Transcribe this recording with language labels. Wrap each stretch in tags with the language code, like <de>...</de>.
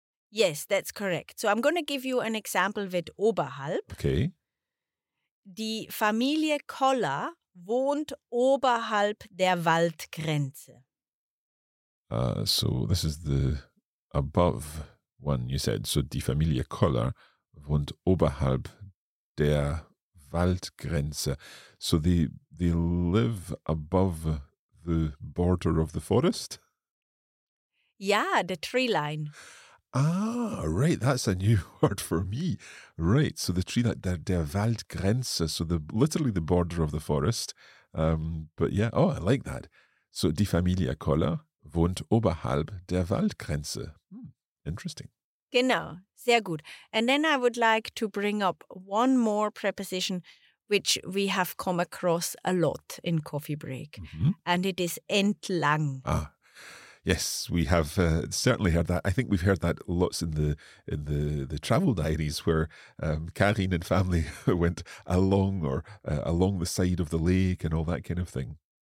<en>Yes, that's correct. So I'm going to give you an example with oberhalb. Okay.</en> <de>Die Familie Koller wohnt oberhalb der Waldgrenze.</de> <en>So this is the above one you said.</en> <de>So die Familie Koller wohnt oberhalb der Waldgrenze.</de> <en>So they live above the border of the forest? Yeah, the tree line. Ah, right. That's a new word for me. Right. So the tree, like</en> <de>der Waldgrenze,</de> <en>so the literally the border of the forest. But yeah, oh, I like that.</en> <de>So die Familie Koller wohnt oberhalb der Waldgrenze.</de> <en>Interesting.</en> <de>Genau. Sehr gut.</de> <en>And then I would like to bring up one more preposition, which we have come across a lot in Coffee Break. Mm-hmm. And it is entlang. Ah. Yes, we have certainly heard that. I think we've heard that lots in the travel diaries where Karin and family went along or along the side of the lake and all that kind of thing.</en>